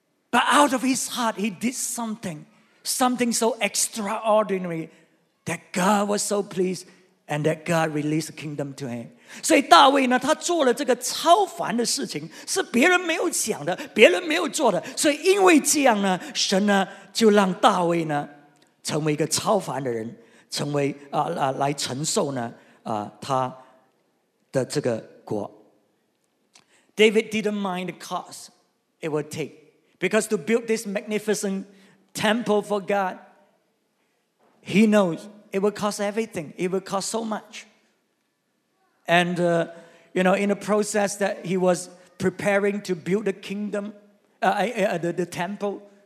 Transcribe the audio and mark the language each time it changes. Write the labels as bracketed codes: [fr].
[en] But out of his heart, he did something so extraordinary that God was so pleased and that God released the kingdom to him. [zh] 所以大卫呢，他做了这个超凡的事情，是别人没有想的，别人没有做的。所以因为这样呢，神呢就让大卫呢成为一个超凡的人，成为来承受呢他的这个国。 [en] David didn't mind the cost it would take, because to build this magnificent temple for God, he knows it would cost everything, it would cost so much. And you know, in the process that he was preparing to build the kingdom, the temple,